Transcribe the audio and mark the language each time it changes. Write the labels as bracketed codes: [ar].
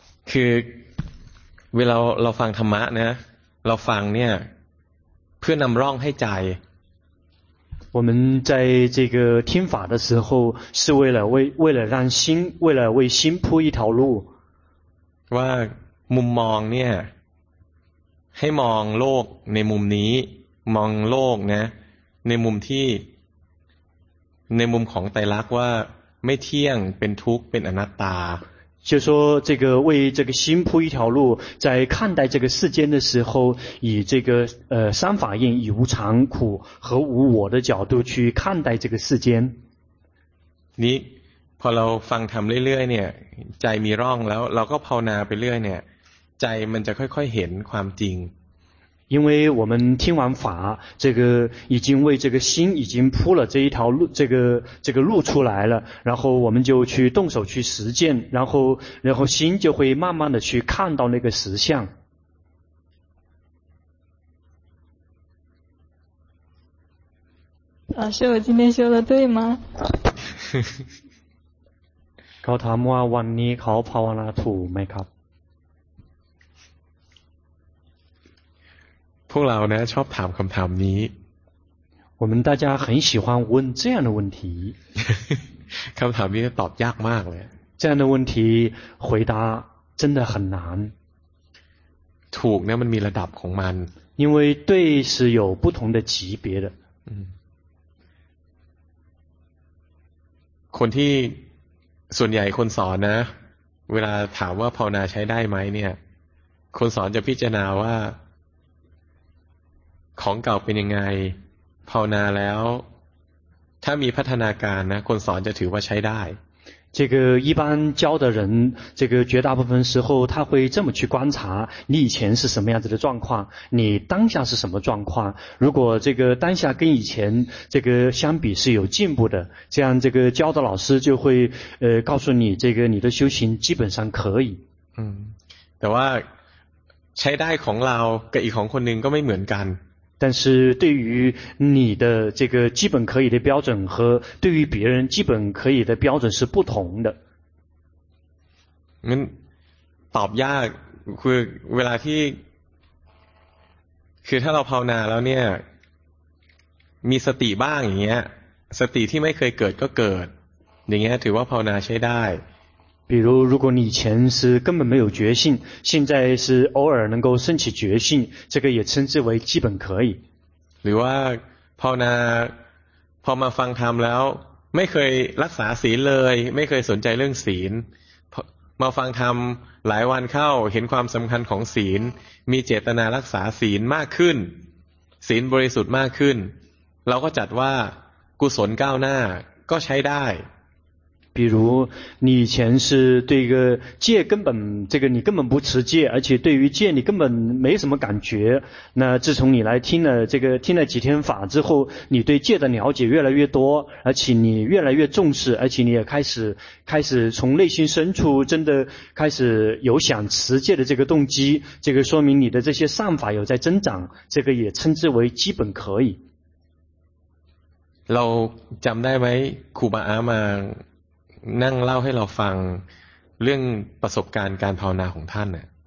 [th] คือเวลาเราฟังธรรมะนะเราฟังเนี่ยเพื่อนำร่องให้ใจ [zh] 我们在这个听法的时候是为了让心为了为心铺一条路 [th] ว่ามุมมองเนี่ยให้มองโลกในมุมนี้มองโลกนะในมุมที่ในมุมของไตรลักษณ์ว่าไม่เที่ยงเป็นทุกข์เป็นอนัตตา [zh] 就说这个为这个心铺一条路在看待这个世间的时候以这个三法印以无常苦和无我的角度去看待这个世间 [th] นี่พอเราฟังทำเรื่อยๆเนี่ยใจมีร่องแล้วเราก็ภาวนาไปเรื่อยเนี่ยใจมันจะค่อยๆเห็นความจริง [zh] 因为我们听完法这个已经为这个心已经铺了这一条路这个路出来了然后我们就去动手去实践然后心就会慢慢的去看到那个实相老师我今天修的对吗 [th] เขาถามว่าวันนี้เขาภาวนาถูกไหมครับ พวกเรานะชอบถามคำถามนี้ [zh] 我们大家很喜欢问这样的问题 [th] คำถามนี้ตอบยากมากเลย [zh] 这样的问题回答真的很难 [th] ถูกเนี่ยมันมีระดับของมัน [zh] 因为对是有不同的级别的 [th] คนที่ส่วนใหญ่คนสอนนะเวลาถามว่าภาวนาใช้ได้ไหมเนี่ยคนสอนจะพิจารณาว่าของเก่าเป็นยังไงภาวนาแล้วถ้ามีพัฒนาการนะคนสอนจะถือว่าใช้ได้ [zh] 这个一般教的人这个绝大部分时候他会这么去观察你以前是什么样子的状况你当下是什么状况如果这个当下跟以前这个相比是有进步的这样这个教的老师就会告诉你这个你的修行基本上可以 [th] แต่ว่าใช้ได้ของเรากับอีกของคนหนึ่งก็ไม่เหมือนกัน [zh] 但是对于你的这个基本可以的标准和对于别人基本可以的标准是不同的。 [th] ตอบยากคือเวลาที่คือถ้าเราภาวนาแล้วเนี่ยมีสติบ้างอย่างเงี้ยสติที่ไม่เคยเกิดก็เกิดอย่างเงี้ยถือว่าภาวนาใช้ได้ [zh] 比如如果你以前是根本没有觉性现在是偶尔能够升起觉性这个也称之为基本可以 [th] หรือว่าภาวนาพอมาฟังธรรมแล้วไม่เคยรักษาศีลเลยไม่เคยสนใจเรื่องศีลมาฟังธรรมหลายวันเข้าเห็นความสำคัญของศีลมีเจตนารักษาศีลมากขึ้นศีลบริสุทธิ์มากขึ้นเราก็จัดว่ากุศลก้าวหน้าก็ใช้ได้ [zh] 比如你以前是对一个戒根本这个你根本不持戒而且对于戒你根本没什么感觉那自从你来听了这个听了几天法之后你对戒的了解越来越多而且你越来越重视而且你也开始从内心深处真的开始有想持戒的这个动机这个说明你的这些善法有在增长这个也称之为基本可以 [th] เราจำได้ไหมครูบาอาจารย์นั่งเล่าให้เราฟังเรื่องประสบการณ์การภาวนาของท่านน่ะ